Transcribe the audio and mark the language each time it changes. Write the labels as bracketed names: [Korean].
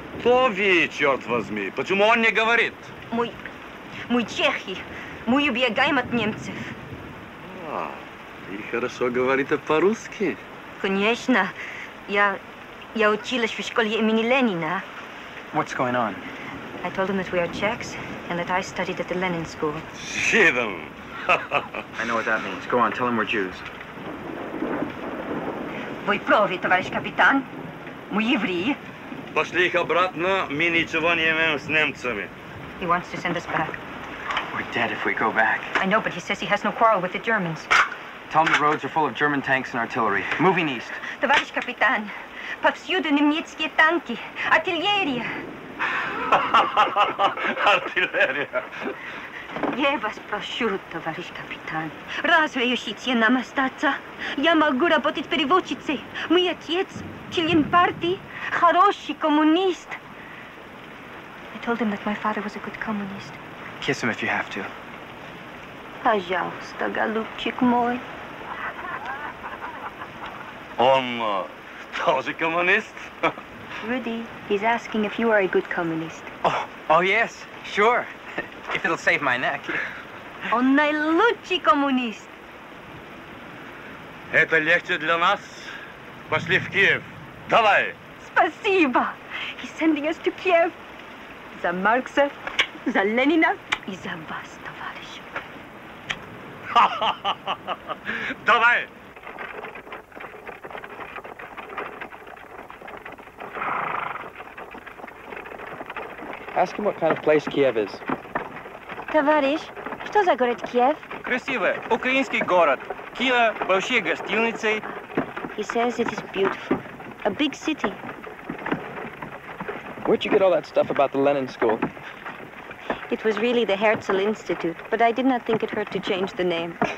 [Russian] То вы, черт возьми, почему он не говорит? Мы чехи, мы убегаем от немцев. И хорошо говорите по-русски. Конечно. Я училась в школе имени Ленина. [English] What's going on? I told him that we are Czechs and that I studied at the Lenin school. Shidam! I know what that means. Go on, tell him we're Jews. [Russian] Вы правы, товарищ капитан. Мы евреи. Пошли их обратно, мы ничего не имеем с немцами. [English] He wants to send us back. We're dead if we go back. I know, but he says he has no quarrel with the Germans. Tell them the roads are full of German tanks and artillery. Moving east. [Russian] Товарищ капитан, повсюду немецкие танки, артиллерия. Артиллерия. Я вас прошу, товарищ капитан, разве ищите нам остаться? Я могу работать переводчицей. Мой отец, член партии, хороший коммунист. [English] I told him that my father was a good communist. Kiss him if you have to. [Russian] Пожалуйста, голубчик мой. Он тоже коммунист? [English] Rudy, he's asking if you are a good communist. Oh, yes, sure. If it'll save my neck. [Russian] Он наилучший коммунист. Это легче для нас. Пошли в Киев. Давай. Спасибо. [English] He's sending us to Kiev. [Russian] За Маркса, за Ленина и за вас, товарищ. Давай. [English] Ask him what kind of place Kiev is. [Russian] Товарищ, что за город Киев? Красивый, украинский город. Киев, большие гостиницы. [English] He says it is beautiful. A big city. Where'd you get all that stuff about the Lenin school? It was really the Herzl Institute, but I did not think it hurt to change the name.